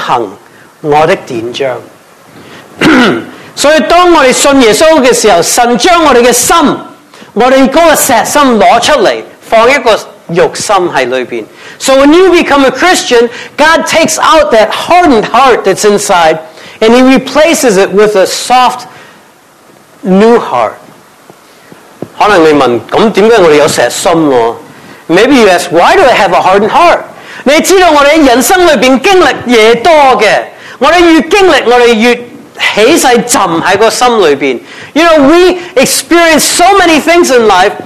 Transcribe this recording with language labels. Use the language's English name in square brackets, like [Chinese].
[Chinese] 36章26节话，我要赐给你们一个新心，将新灵放在你们里面，又从你们的肉体中除掉邪心，赐给你们肉心。我必将我的灵放在你们里面，使你们顺从我的律例，谨守遵行我的典章。所以当我们信耶稣的时候，神将我们的心，我们那个石心拿出来，放一个肉心在里面。 [English] So when you become a Christian, God takes out that hardened heart that's inside, and he replaces it with a soft, new heart. [Chinese] 可能你问，那为什么我们有石心呢？ [English] Maybe you ask, why do I have a hardened heart? [Chinese] 你知道我们在人生里面经历越多的，我们越经历，我们越 [English] You know, we experience so many things in life.